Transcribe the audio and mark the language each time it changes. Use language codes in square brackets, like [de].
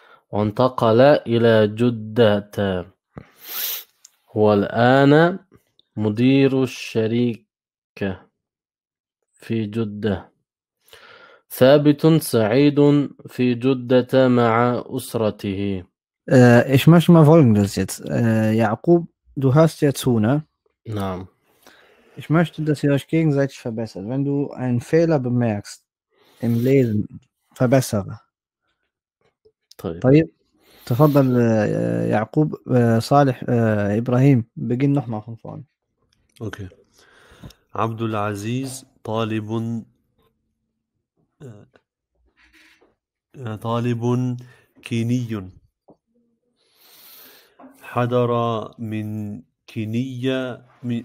[ar] وانتقل إلى جدة، والآن مدير الشركة في جدة. ثابت سعيد في جدة مع أسرته. [de] ich möchte mal Folgendes jetzt. Jakob, du hast jetzt Huna. [ar] نعم [de] Ich möchte, dass ihr euch gegenseitig verbessert. Wenn du einen Fehler bemerkst im Lesen, verbessere. [ar] طيب طيب, تفضل يعقوب صالح إبراهيم, [de] beginn nochmal von vorne. [en] Okay. [ar] عبد العزيز طالب كيني، حضر من كينية من